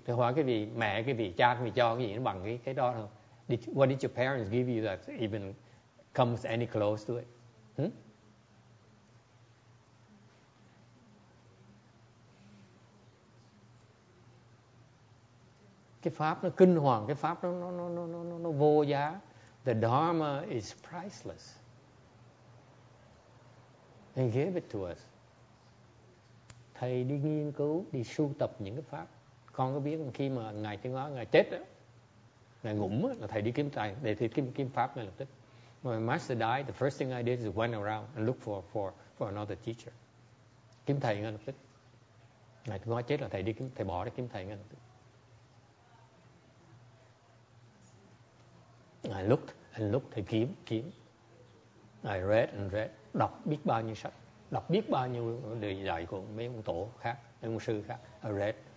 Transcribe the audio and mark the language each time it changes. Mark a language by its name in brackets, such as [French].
[Vietnamese] Thì hỏi cái gì, mẹ cái gì, cha cái gì cho cái gì nó bằng cái đó thôi. [English] What did your parents give you that even comes any close to it? [Vietnamese] Cái pháp nó kinh hoàng, cái pháp nó vô giá. [English] The Dharma is priceless. They gave it to us. [Vietnamese] Thầy đi nghiên cứu, đi sưu tập những cái pháp. Con có biết khi mà Ngài Thiên Hóa, Ngài chết đó, Ngài ngủm đó, là thầy đi kiếm tài, để thầy kiếm pháp ngay lập tức. [English] When my master died, the first thing I did is went around and looked for another teacher. [Vietnamese] Kiếm thầy ngay lập tức. Ngài Thiên Hóa chết là thầy đi kiếm, thầy bỏ đi kiếm thầy ngay lập tức. [English] I looked and looked at [Vietnamese] kiếm, kiếm. [English] I read and read. [Vietnamese] Đọc biết bao nhiêu sách. Đọc biết bao nhiêu lời dạy của mấy ông tổ khác, mấy ông sư khác. [English] I read.